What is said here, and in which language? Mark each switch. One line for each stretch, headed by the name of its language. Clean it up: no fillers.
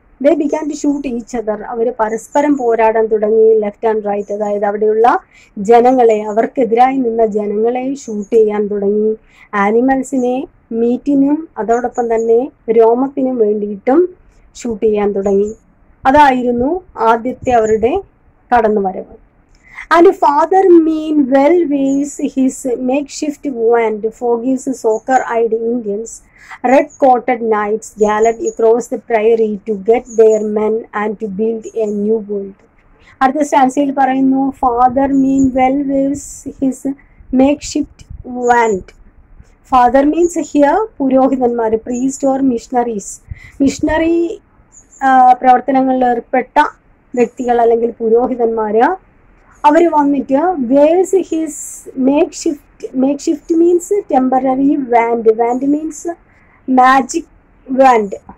English: They began to shoot each other.
Malayalam: അവർ പരസ്പരം പോരാടാൻ തുടങ്ങി, ലെഫ്റ്റ് ആൻഡ് റൈറ്റ്, അതായത് അവിടെയുള്ള ജനങ്ങളെ, അവർക്കെതിരായി നിന്ന ജനങ്ങളെ ഷൂട്ട് ചെയ്യാൻ തുടങ്ങി. ആനിമൽസിനെ മീറ്റിനും അതോടൊപ്പം തന്നെ രോമത്തിനും വേണ്ടിയിട്ടും ഷൂട്ട് ചെയ്യാൻ തുടങ്ങി. അതായിരുന്നു ആദ്യത്തെ അവരുടെ കടന്നുവരവ്.
English: And father mean well waves his makeshift wand, forgives soccer-eyed Indians. Red-coated knights galloped across the prairie to get their men and to build a new world.
Malayalam: അടുത്ത സ്റ്റാൻസിയിൽ പറയുന്നു,
English: Father mean well waves his makeshift wand. Father means here പുരോഹിതന്മാർ, priest or missionaries.
Malayalam: Missionary പ്രവർത്തനങ്ങളിലേർപ്പെട്ട വ്യക്തികൾ അല്ലെങ്കിൽ പുരോഹിതന്മാർ, അവർ വന്നിട്ട്
English: Waves his makeshift means temporary wand, wand means magic wand.